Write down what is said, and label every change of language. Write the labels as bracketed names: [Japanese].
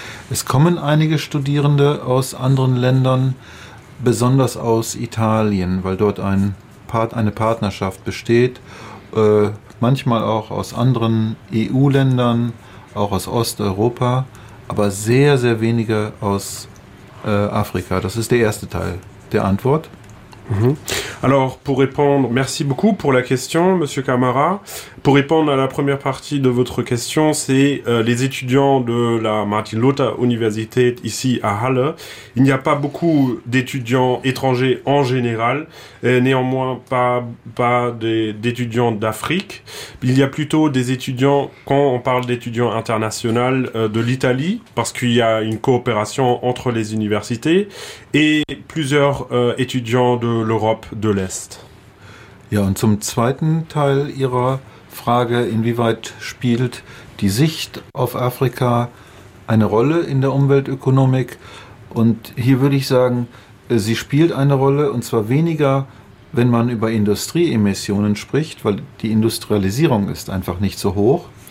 [German] Es kommen einige Studierende aus anderen Ländern, besonders aus Italien, weil dort eine Partnerschaft besteht, manchmal auch aus anderen EU-Ländern, auch aus Osteuropa, aber sehr, sehr wenige aus Afrika. Das ist der erste Teil der Antwort. Mm-hmm. [French] Alors, pour répondre, merci beaucoup pour la question, Monsieur Camara. Pour répondre à la première partie de votre question, c'est les étudiants de la Martin Luther Universität ici à Halle. Il n'y a pas beaucoup d'étudiants étrangers en général, et néanmoins pas d'étudiants d'Afrique. Il y a plutôt des étudiants, quand on parle d'étudiants internationaux, de l'Italie, parce qu'il y a une coopération entre les universités, et plusieurs étudiants de l'Europe de l'Est. [German] Ja, und zum zweiten Teil Ihrer Frage, inwieweit spielt die Sicht auf Afrika eine Rolle in der Umweltökonomik? Und hier würde ich sagen, sie spielt eine Rolle, und zwar weniger, wenn man über Industrieemissionen spricht, weil die Industrialisierung ist einfach nicht so hoch.